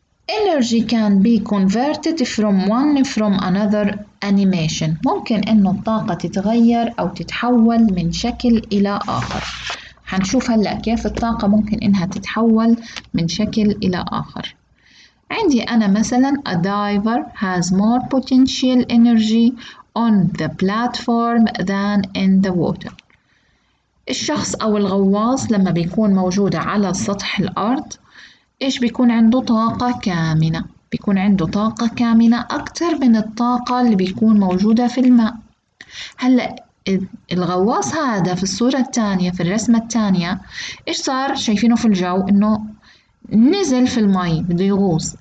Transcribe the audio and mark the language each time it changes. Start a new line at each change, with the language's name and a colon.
English: Energy can be converted from one from another animation.
Arabic: ممكن إنه الطاقة تتغير أو تتحول من شكل إلى آخر. هنشوف هلأ كيف الطاقة ممكن إنها تتحول من شكل إلى آخر. عندي أنا مثلاً
English: a diver has more potential energy on the platform than in the water.
Arabic: الشخص أو الغواص لما بيكون موجود على سطح الأرض إيش بيكون عنده؟ طاقة كامنة، بيكون عنده طاقة كامنة أكتر من الطاقة اللي بيكون موجودة في الماء. هلأ الغواص هذا في الصورة الثانية، في الرسمة الثانية إيش صار؟ شايفينه في الجو إنه نزل في الماء بده يغوص.